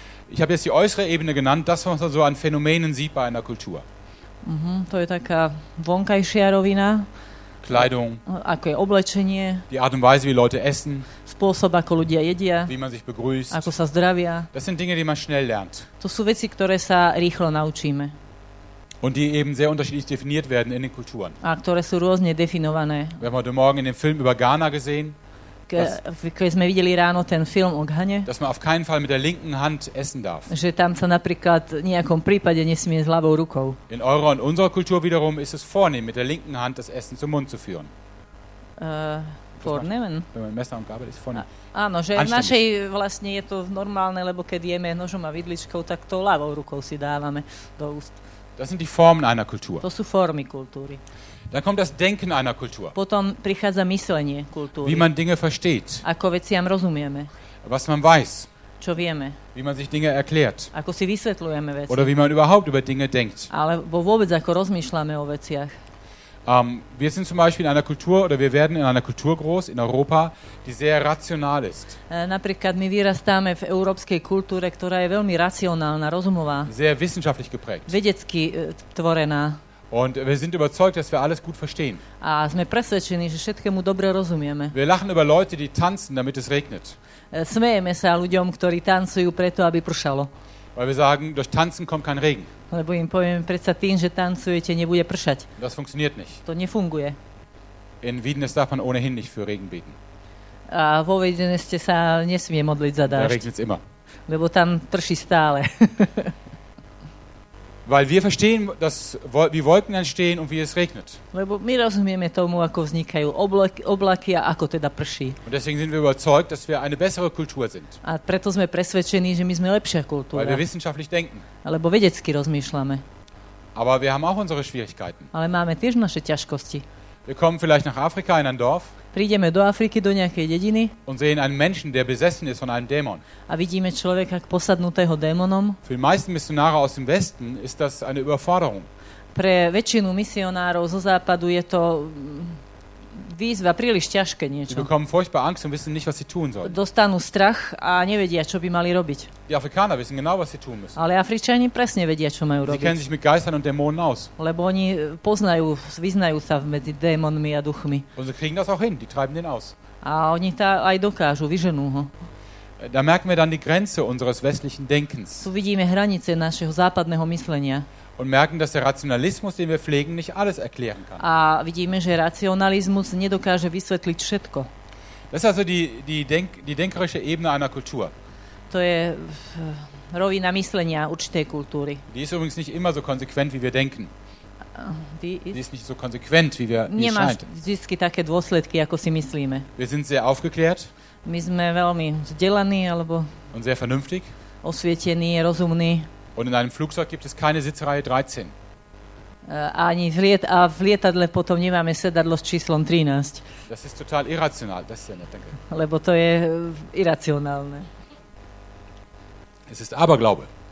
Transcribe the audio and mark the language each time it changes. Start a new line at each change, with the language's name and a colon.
German: Ich habe jetzt die äußere Ebene genannt, das was man so an Phänomenen sieht bei einer Kultur.
Slovak: To je taká vonkajšia rovina.
German: Kleidung.
Slovak: Ako je oblečenie.
German: Die Art und Weise, wie Leute essen.
Slovak: Spôsob, ako ľudia jedia.
German: Wie man sich begrüßt.
Slovak: Ako sa zdravia.
German: Das sind Dinge, die man schnell lernt.
Slovak: To sú veci, ktoré sa rýchlo naučíme.
German: Und die eben sehr unterschiedlich definiert werden in den Kulturen.
Slovak: A ktoré sú rôzne definované.
German: Wir haben heute Morgen in dem Film über Ghana gesehen.
Slovak: Keď sme videli ráno ten film o Ghane.
German: Dass man auf keinen Fall mit der linken Hand essen darf.
Slovak: Že tam sa napríklad v nejakom prípade nesmie s ľavou rukou.
German: In eurer und unserer Kultur wiederum ist es vornehm, mit der linken Hand das Essen zum Mund zu führen. Vornehmen? Wenn man Messer und Gabel ist vornehm.
Slovak: Áno, že v našej vlastne je to normálne, lebo keď jeme nožom a vidličkou, tak to ľavou rukou si dávame do úst.
German: Das sind die Formen einer Kultur.
Slovak: To sú formy kultúry.
German: Dann kommt das Denken einer Kultur.
Slovak: Potom prichádza myslenie kultúry.
German: Wie man Dinge versteht.
Slovak: Ako veciam rozumieme.
German: Was man weiß.
Slovak: Čo vieme.
German: Wie man sich Dinge erklärt.
Slovak: Ako si vysvetľujeme veci.
German: Oder wie man überhaupt über Dinge denkt.
Slovak: Alebo vôbec ako rozmýšľame o veciach.
German: Wir sind zum Beispiel in einer Kultur, oder wir werden in einer Kultur groß, in Europa, die sehr rational ist.
Slovak: Napríklad my vyrastáme v európskej kultúre, ktorá je veľmi racionálna, rozumová.
German: Sehr wissenschaftlich geprägt.
Slovak: Vedecky tvorená.
German: Und wir sind überzeugt, dass wir alles gut verstehen.
Slovak: A sme presvedčení, že všetkému dobre rozumieme.
German: Wir lachen über Leute, die tanzen, damit es regnet.
Slovak: Smejeme sa ľuďom, ktorí tancujú preto, aby pršalo.
German: Weil wir sagen, durch Tanzen kommt kein Regen.
Slovak: Lebo im poviem, predsa tým, že tancujete, nebude pršať.
German: Das funktioniert nicht.
Slovak: To nefunguje.
German: In Wiedenest darf man ohnehin nicht für Regen beten.
Slovak: A vo Wiedeneste sa nesmie modliť za dážď.
German: Da regnet's immer.
Slovak: Lebo tam prší stále.
German: Weil wir verstehen, dass wie Wolken entstehen und wie es regnet.
Slovak: Lebo my rozumieme tomu, ako vznikajú oblaky a ako teda prší.
German: Und deswegen sind wir überzeugt, dass wir eine bessere Kultur sind.
Slovak: A preto sme presvedčení, že my sme lepšia kultúra.
German: Weil wir wissenschaftlich denken.
Slovak: Lebo vedecky rozmýšľame.
German: Aber wir haben auch unsere Schwierigkeiten.
Slovak: Ale máme tiež naše ťažkosti.
German: Wir kommen vielleicht nach Afrika in ein Dorf.
Slovak: Prídeme do Afriky, do nejakej dediny.
German: Und sehen einen Menschen, der besessen ist von einem Dämon.
Slovak: A vidíme človeka posadnutého démonom.
German: Für die meisten Missionare aus dem Westen ist das eine Überforderung.
Slovak: Pre väčšinu misionárov zo západu je to výzva, príliš ťažké niečo.
German: Sie bekommen furchtbar Angst und wissen nicht, was sie tun sollen.
Slovak: Dostanú strach a nevedia, čo by mali robiť.
German: Die Afrikaner wissen genau, was sie tun müssen.
Slovak: Ale Afričani presne vedia, čo majú robiť.
German: Sie kennen sich mit Geistern und Dämonen aus.
Slovak: Lebo oni poznajú, vyznajú sa medzi démonmi a duchmi.
German: Und sie kriegen das auch hin, die treiben den aus.
Slovak: A oni to aj dokážu, vyženú ho.
German: Da merken wir dann die Grenze unseres westlichen Denkens.
Slovak: Tu vidíme hranice našeho západného myslenia.
German: Und merken, dass der Rationalismus, den wir pflegen, nicht alles erklären kann.
Slovak: A vidíme, že racionalizmus nedokáže vysvetliť všetko.
German: Das ist also die denkerische Ebene einer Kultur.
Slovak: To je rovina myslenia určitej kultúry.
German: Die ist übrigens nicht immer so konsequent, wie wir denken. Die ist nicht so konsequent, wie wir scheint.
Slovak: Nemáš vždycky také dôsledky, ako si myslíme.
German: Wir sind sehr aufgeklärt.
Slovak: My sme veľmi vzdelaní, alebo
German: und sehr vernünftig.
Slovak: Osvietení, rozumní.
German: Und in einem Flugzeug gibt es keine Sitzreihe 13.
Slovak: Ani v lietadle potom nemáme sedadlo s číslom 13.
German: Das ist total irrational, das ist ja nicht, danke.
Slovak: Lebo to je iracionálne.
German: Es ist Aberglaube.